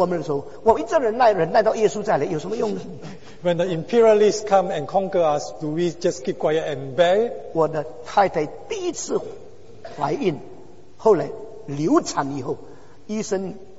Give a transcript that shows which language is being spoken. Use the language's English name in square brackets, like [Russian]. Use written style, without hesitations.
[Chinese] 当帝国主义殖民主义统治我们的时候我一直忍耐忍耐到耶稣再来有什么用呢？ [English] When the imperialists come and conquer us, do we just keep quiet and bear? [Chinese] 我的太太第一次怀孕后来流产以后医生